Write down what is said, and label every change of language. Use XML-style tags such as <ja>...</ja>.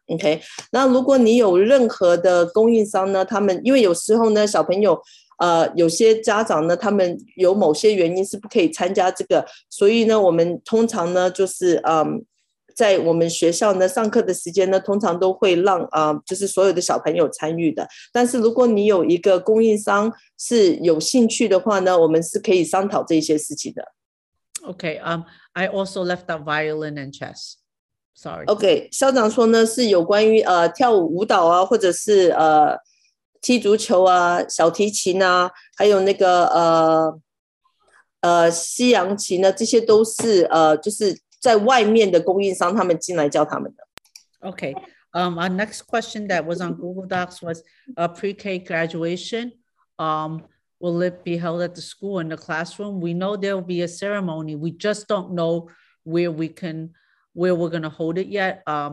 <zh>OK， 那如果你有任何的供应商呢，他们因为有时候呢小朋友有些家长呢他们有某些原因是不可以参加这个，所以呢我们通常呢就是在我们学校呢上课的时间呢通常都会让就是所有的小朋友参与的，但是如果你有一个供应商是有兴趣的话呢，我们是可以商讨这些事情的。</zh> <en>OK， I also left out violin and chess, sorry.</en> <zh>OK， 校长说呢是有关于跳舞舞蹈啊，或者是踢足球啊，小提琴啊，还有那个西洋棋呢，这些都是就是在外面的供应商他们进来教他们的。</zh> <en>Okay, our next question that was on Google Docs was pre-K graduation. Will it be held at the school in the classroom? We know there will be a ceremony. We just don't know where we're going to hold it yet.</en>